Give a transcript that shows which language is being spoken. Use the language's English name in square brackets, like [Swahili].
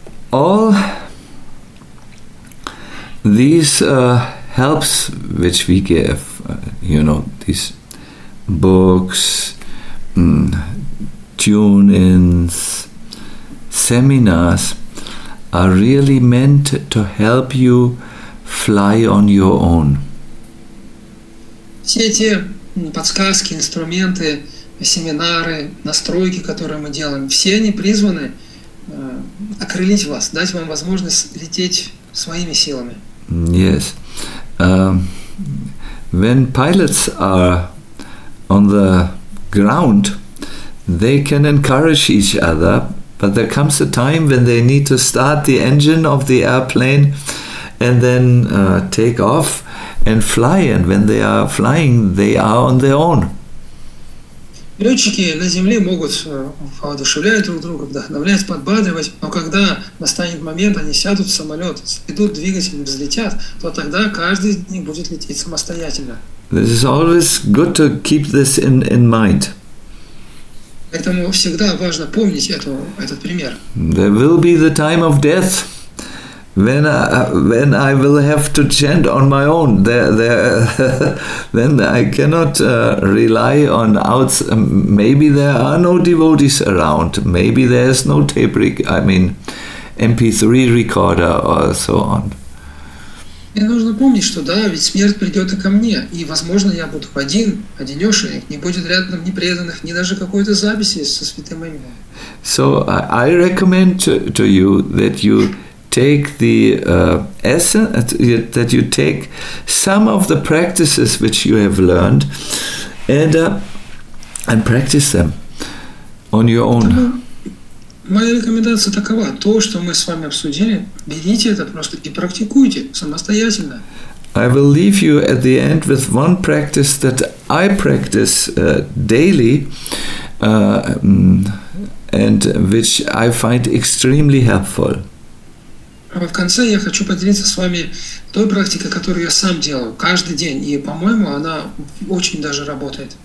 [English] All these helps which we give, you know, these books, tune-ins, seminars are really meant to help you fly on your own. [Russian] Все эти подсказки, инструменты, семинары, настройки, которые мы делаем, все они призваны окрылить вас, дать вам возможность лететь своими силами. [English] Yes. When pilots are on the ground, they can encourage each other, but there comes a time when they need to start the engine of the airplane and then take off and fly. And when they are flying, they are on their own. [Russian] Летчики на земле могут воодушевлять друг друга, вдохновлять, подбадривать, но когда настанет момент, они сядут в самолет, идут двигатель, взлетят, то тогда каждый из них будет лететь самостоятельно. [English] This is always good to keep this in mind. [Russian] Поэтому всегда важно помнить этот пример. [English] There will be the time of death when I will have to chant on my own. Then I cannot rely on outs. Maybe there are no devotees around. Maybe there is no tape MP3 recorder or so on. [Russian] Мне нужно помнить, что да, ведь смерть придет и ко мне, и, возможно, я буду один, одинешенек, не будет рядом ни преданных, ни даже какой-то записи со святым именем. [English] So I recommend to you that you take the essence, that you take some of the practices which you have learned and practice them on your own. [Russian] Моя рекомендация такова. То, что мы с вами обсудили, берите это просто и практикуйте самостоятельно. [English] I will leave you at the end with one practice that I practice daily and which I find extremely helpful. [Russian] В конце я хочу поделиться с вами той практикой, которую я сам делаю каждый день, и, по-моему, она очень даже работает.